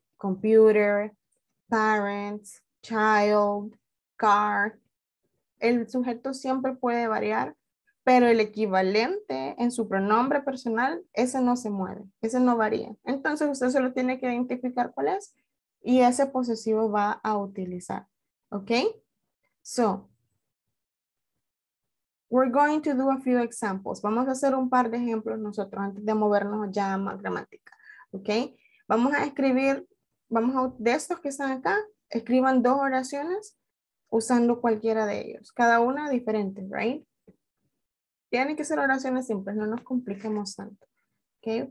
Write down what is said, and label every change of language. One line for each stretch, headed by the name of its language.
English: Computer, parents, child, car.
Spanish: el sujeto siempre puede variar, pero el equivalente en su pronombre personal, ese no se mueve, ese no varía. Entonces usted solo tiene que identificar cuál es y ese posesivo va a utilizar. ¿Ok?
English: So, we're going to do a few examples.
Spanish: Vamos a hacer un par de ejemplos nosotros antes de movernos ya a más gramática. ¿Ok? Vamos a escribir, vamos a, de estos que están acá, escriban dos oraciones usando cualquiera de ellos. Cada una diferente, right? Tienen que ser oraciones simples, no nos compliquemos tanto. ¿Okay?